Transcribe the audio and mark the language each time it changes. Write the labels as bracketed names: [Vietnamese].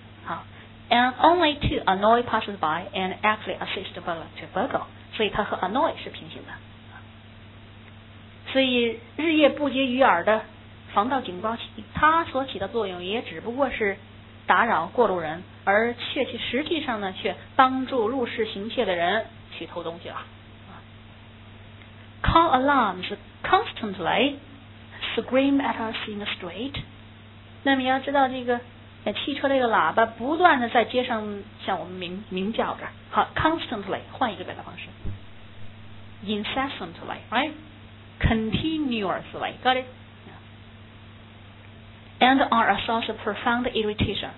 [English] 好 ，and only to annoy passersby and actually assist burglar to burgle， [Chinese] 所以它和 [English] annoy [Chinese] 是平行的。所以日夜不绝于耳的防盗警报器，它所起的作用也只不过是打扰过路人，而确切实际上呢，却帮助入室行窃的人去偷东西了。 [English] Call alarms constantly scream at us in the street。 [Chinese] 那么要知道，这个汽车这个喇叭不断的在街上向我们鸣叫着。好 ，constantly 换一个表达方式 ，incessantly， right？ [English] Continuously, got it? And are a source of profound irritation.